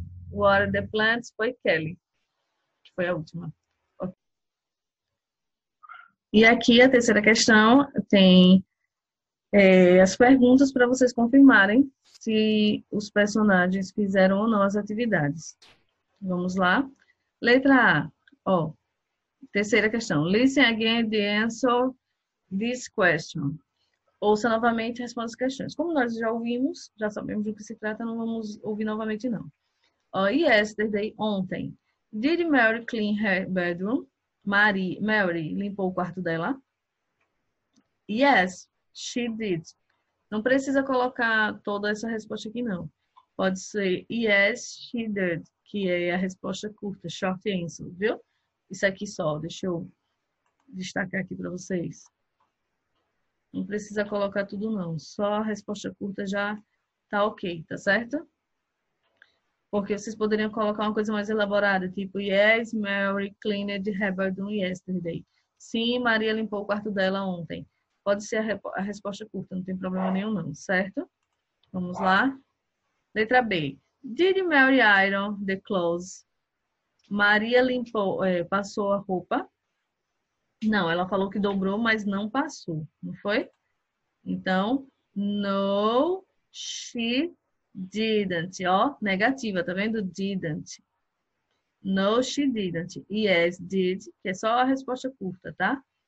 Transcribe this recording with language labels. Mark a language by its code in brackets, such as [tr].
[en] Water the plants. [pt] Foi Kelly, que foi a última. E aqui a terceira questão tem as perguntas para vocês confirmarem se os personagens fizeram ou não as atividades. Vamos lá. Letra A. Ó, terceira questão. [en] Listen again to answer this question. [pt] Ouça novamente e responda as questões. Como nós já ouvimos, já sabemos do que se trata, não vamos ouvir novamente, não. [en] Oh, yesterday, ontem. Did Mary clean her bedroom? [pt] Mary limpou o quarto dela? [en] Yes, she did. [pt] Não precisa colocar toda essa resposta aqui, não. Pode ser [en] yes, she did, [pt] que é a resposta curta, [en] short answer, [pt] viu? Isso aqui só, deixa eu destacar aqui para vocês. Não precisa colocar tudo, não. Só a resposta curta já tá ok, tá certo? Porque vocês poderiam colocar uma coisa mais elaborada, tipo, [en] Yes, Mary cleaned her bedroom yesterday. [pt] Sim, Maria limpou o quarto dela ontem. Pode ser a resposta curta, não tem problema nenhum, não, certo? Vamos lá. Letra B. [en] Did Mary iron the clothes? [pt] Maria limpou, passou a roupa? Não, ela falou que dobrou, mas não passou, não foi? Então, [en] no, she didn't, [pt] ó, negativa, tá vendo? Didn't. [en] No, she didn't. Yes, did, [pt] que é só a resposta curta, tá?